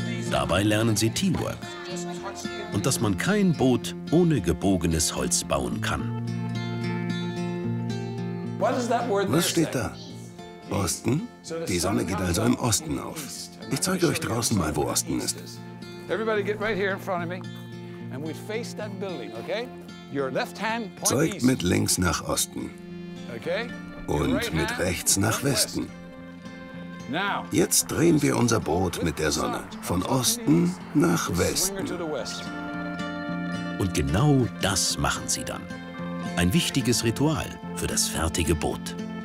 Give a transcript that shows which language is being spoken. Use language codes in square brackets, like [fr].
[de] Dabei lernen sie Teamwork und dass man kein Boot ohne gebogenes Holz bauen kann. Was steht da? Osten? Die Sonne geht also im Osten auf. Ich zeige euch draußen mal, wo Osten ist. [en] Everybody get right here in front of me. and we'd face that building, okay? Your left hand point east. [de] Zeigt mit links nach Osten. Okay? Und mit rechts nach Westen. [en] Now, [de] jetzt drehen wir unser Boot mit der Sonne von Osten nach Westen. Und genau das machen sie dann. Ein wichtiges Ritual für das fertige Boot.